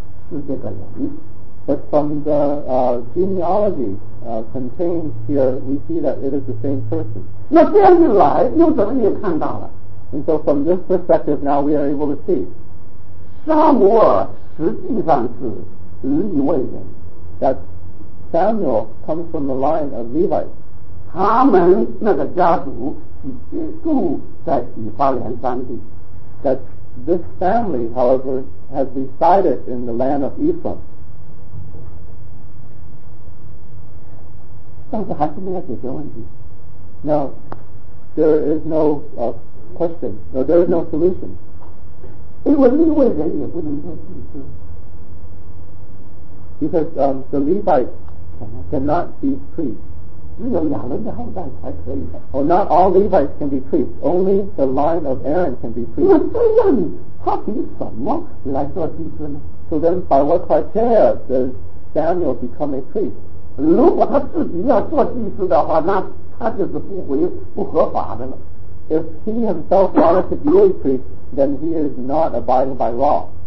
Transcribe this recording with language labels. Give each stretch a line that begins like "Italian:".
English: But from the genealogy contained here, we see that it is the same person. And so from this perspective, now we are able to see.
Chinese: 撒母耳实际上是利未人,
English: that Samuel comes from the line of Levi.
Chinese: 他们那个家族居住在以法莲山地,
English: that this family, however, has resided in the land of Ephraim.
Chinese: 但是还是没有解决问题.
English: Now, there is no question. No, there is no solution.
Chinese: 因为利未人也不能做祭司.
English: Because the Levites cannot be priests.
Chinese: 只有亚伦的后代才可以.
English: Oh, not all Levites can be priests. Only the line of Aaron can be priests.
Chinese: 那这样，他凭什么来做祭司呢?
English: So then, by what criteria does Samuel become a priest?
Chinese: 如果他自己要做祭司的话，那他就是不合法的了。
English: If he himself wanted to be a priest, then he is not abiding by law.